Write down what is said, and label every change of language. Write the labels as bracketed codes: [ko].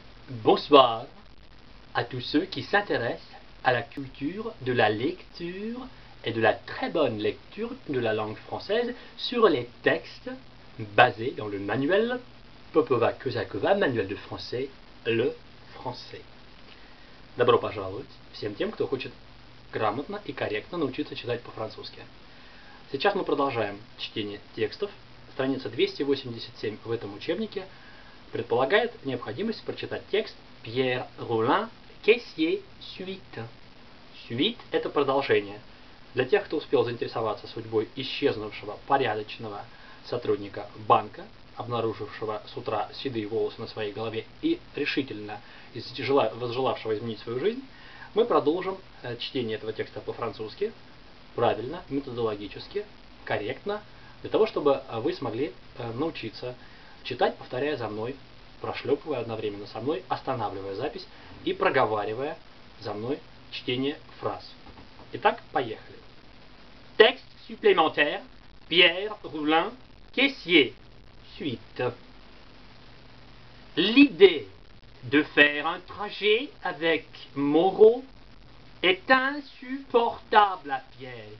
[fr] Bonsoir à tous ceux qui s'intéressent à la culture de la lecture et de la très bonne lecture de la langue française sur les textes basés dans le manuel Popova Kozakova, manuel de français, le français. [ru] Добро пожаловать всем тем, кто хочет грамотно и корректно научиться читать по-французски. Сейчас мы продолжаем чтение текстов. Страница 287 в этом учебнике предполагает необходимость прочитать текст «Пьер Рулин, Кессье, Сюит». «Сюит» — это продолжение. Для тех, кто успел заинтересоваться судьбой исчезнувшего порядочного сотрудника банка, обнаружившего с утра седые волосы на своей голове и решительно возжелавшего изменить свою жизнь, мы продолжим чтение этого текста по-французски, правильно, методологически, корректно, для того, чтобы вы смогли научиться читать, повторяя за мной, прошлепывая одновременно со мной, останавливая запись и проговаривая за мной чтение фраз. Итак, поехали. Текст [fr] supplémentaire. [ru] Пьер Рулин, Кессье. [fr] Suite. L'idée de faire un trajet avec Moreau est insupportable à Pierre.